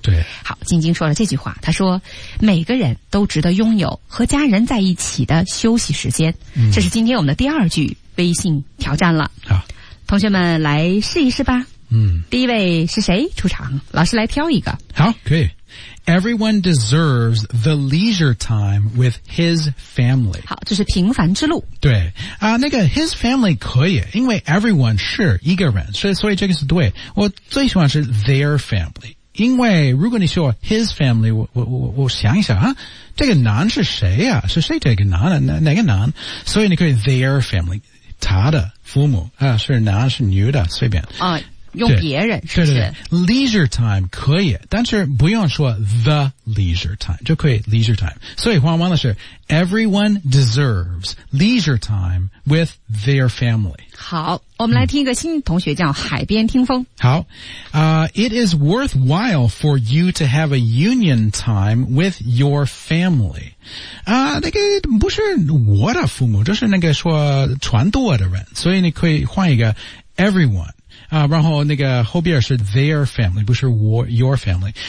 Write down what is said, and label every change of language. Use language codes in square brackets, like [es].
[zh] 对。好晶晶说了这句话他说每个人都值得拥有和家人在一起的休息时间。 Mm-hmm. 这是今天我们的第二句微信挑战了。好。同学们来试一试吧。嗯。第一位是谁出场老师来挑一个。好可以。 [en] Everyone deserves the leisure time with his family. [zh] 好，这是平凡之路。对，啊、那个 his family 可以，因为 everyone 是一个人，所以这个是对。我最喜欢是 their family， 因为如果你说 his family， 我想一想啊，这个男是谁啊？是谁这个男啊？哪个男？所以你可以 their family， 他的父母啊，是男是女的，随便。啊。用别人是不是对对对 ？Leisure time 可以，但是不用说 the leisure time 就可以 leisure time。所以黄文老师 ， [en] everyone deserves leisure time with their family。 [zh] 好，我们来听一个新同学叫海边听风。 [en] 好，it is worthwhile for you to have a union time with your family。 [zh] 啊，那个不是我的父母，就是那个说传道的人，所以你可以换一个 everyone。然后那个后边是 their family, 不是 your family.